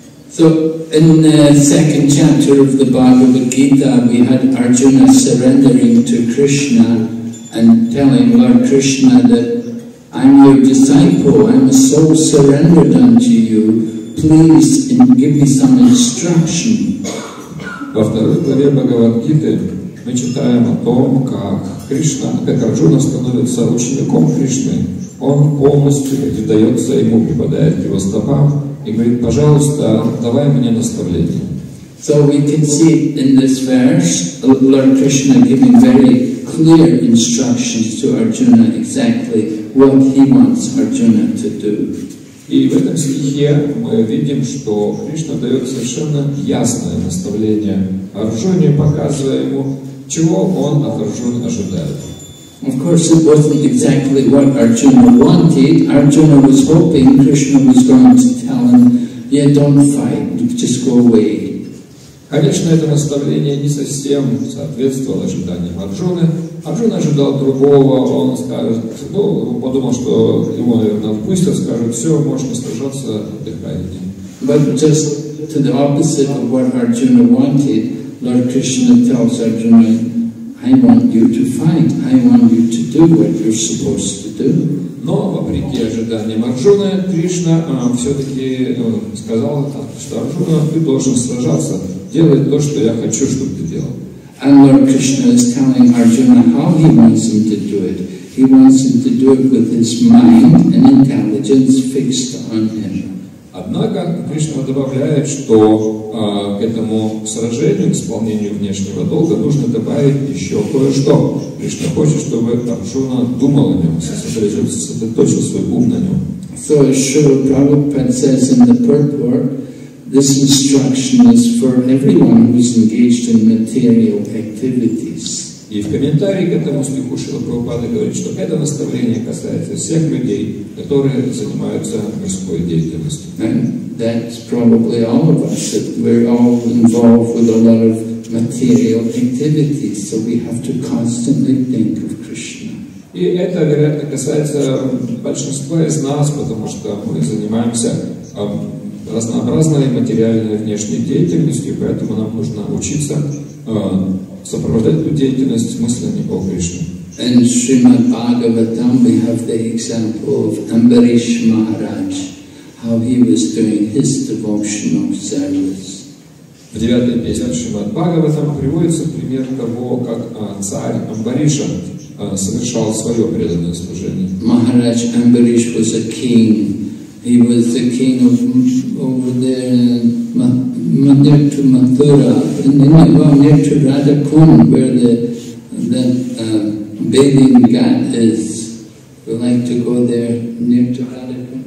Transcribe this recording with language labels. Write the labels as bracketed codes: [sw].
[en] So, in the second chapter of the Bhagavad Gita, we had Arjuna surrendering to Krishna and telling Lord Krishna that I'm your disciple, I'm so surrendered unto you, please give me some instruction. [ru] Во второй главе Бхагавад-гиты мы читаем о том, как Кришна, как Арджуна становится учеником Кришны. Он полностью отдается ему, попадает к его стопам и говорит, пожалуйста, давай мне наставление. [en] So we can see in this verse, Lord Krishna giving very clear instructions to Arjuna exactly what he wants Arjuna to do. [ru] И в этом стихе мы видим, что Кришна дает совершенно ясное наставление Арджуне, показывая ему, чего он от Арджуны ожидает. [en] Of course, it wasn't exactly what Arjuna wanted. Arjuna was hoping Krishna was going to tell him, yeah, don't fight, just go away. [ru] Конечно, это наставление не совсем соответствовало ожиданиям Арджуны. Арджуна ожидал другого, он скажет, ну, подумал, что его, наверное, отпустят, скажут, все, можешь сражаться, отдыхай. [en] But just to the opposite of what Arjuna wanted, Lord Krishna tells Arjuna, I want you to fight, I want you to do what you're supposed to do. [ru] Но, вопреки ожиданиям Арджуны, Кришна все-таки сказал, что Арджуна, ты должен сражаться, делай то, что я хочу, чтобы ты делал. [en] And Lord Krishna is telling Arjuna how he wants him to do it. He wants him to do it with his mind and intelligence fixed on him. [ru] Однако Кришна добавляет, что к этому сражению, к исполнению внешнего долга, нужно добавить еще кое-что. Кришна хочет, чтобы Арджуна думал о нем, сосредоточил свой ум на нем. [en] So Srila Prabhupada says in the purport, this instruction is for everyone who is engaged in material activities. [ru] И в комментарии к этому стиху Шрила Прабхупада говорит, что это наставление касается всех людей, которые занимаются мирской деятельностью. [en] And that's probably all of us, that we're all involved with a lot of material activities, so we have to constantly think of Krishna. [ru] И это, вероятно, касается большинства из нас, потому что мы занимаемся разнообразной материальной внешней деятельностью, поэтому нам нужно учиться сопровождать эту деятельность мыслями о Кришне. [en] In Srimad Bhagavatam we have the example of Ambarish Maharaj, how he was doing his devotional service. [ru] В девятой песне Шримад Бхагаватам приводится пример того, как царь Амбариша совершал свое преданное служение. [en] Maharaj Ambarish was a king. He was the king of over there near to Mathura, near to Radhakund, where the bathing ghat is. We like to go there near to Radhakund.